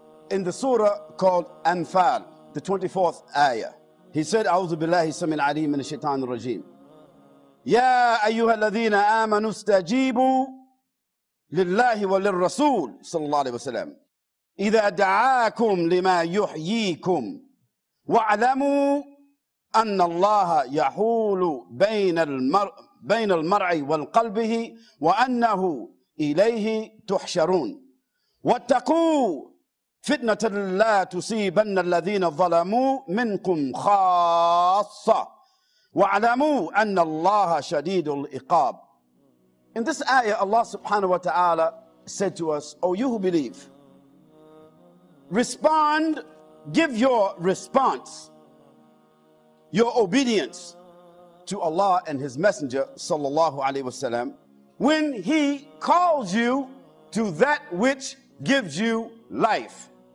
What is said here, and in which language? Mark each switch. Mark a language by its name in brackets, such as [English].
[English] In the surah called Anfal, the 24th ayah, he said, [Arabic] أعوذ بالله السميع العليم من الشيطان الرجيم. يا أيها الذين آمنوا استجيبوا لله وللرسول صلى الله عليه وسلم إذا دعاكم لما يحييكم واعلموا أن الله يحول بين المرء والقلب وأنه إليه تحشرون واتقوا فتنة لا تصيبن الذين ظلموا منكم خاصة واعلموا أن الله شديد العقاب. [English] In this ayah, Allah subhanahu wa ta'ala said to us, O you who believe, respond, give your response, your obedience to Allah and His Messenger sallallahu alayhi wa sallam, when He calls you to that which gives you life.